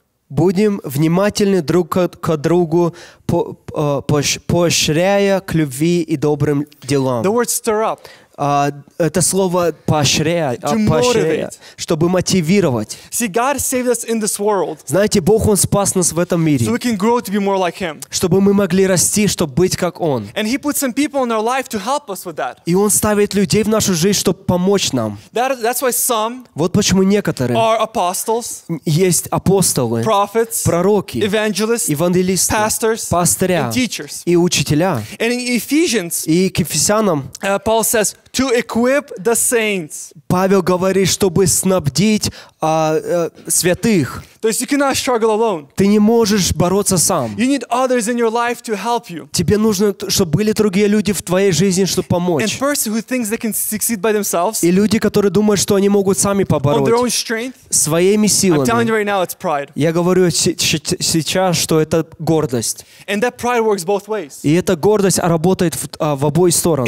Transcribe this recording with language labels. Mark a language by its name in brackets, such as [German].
[Russian] Будем внимательны друг к другу, поощряя к любви и добрым делам. [English] The word stir up. [Russian] Это слово поощрять, чтобы мотивировать. [English] See, God saved us in this world. [Russian] Знаете, Бог, Он спас нас в этом мире. [English] So we can grow to be more like Him. [Russian] Чтобы мы могли расти, чтобы быть как Он. [English] And He put some people in our life to help us with that. [Russian] И Он ставит людей в нашу жизнь, чтобы помочь нам. [English] That's why some. [Russian] Вот почему некоторые. [English] Are apostles. [Russian] Есть апостолы. [English] Prophets. [Russian] Пророки. [English] Evangelists. [Russian] Евангелисты. [English] Pastors. [Russian] Пастыря. [English] And teachers. [Russian] И учителя. [English] And in Ephesians. [Russian] И к Ефесянам. [English] Paul says. To equip the saints. [Russian] Павел говорит, чтобы снабдить святых. То есть [English] you cannot struggle alone. [Russian] Ты не можешь бороться сам. [English] You need others in your life to help you. [Russian] Тебе нужно, чтобы были другие люди в твоей жизни, чтобы помочь. [English] And person who thinks they can succeed by themselves. [Russian] И люди, которые думают, что они могут сами побороть. [English] On their own strength. [Russian] Своими силами. [English] I'm telling you right now, it's pride. [Russian] Я говорю сейчас, что это гордость. [English] And that pride works both ways. [Russian] И эта гордость работает в обои стороны.